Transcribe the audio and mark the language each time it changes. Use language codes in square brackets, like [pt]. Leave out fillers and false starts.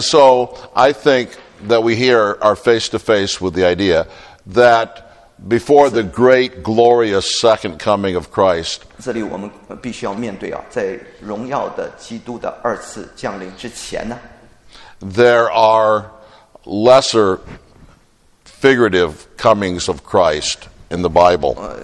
[en] so I think that we here are face to face with the idea that before the great glorious second coming of Christ, [zh] 这里我们必须要面对，在荣耀的基督的二次降临之前呢, [en] there are lesser figurative comings of Christ in the Bible.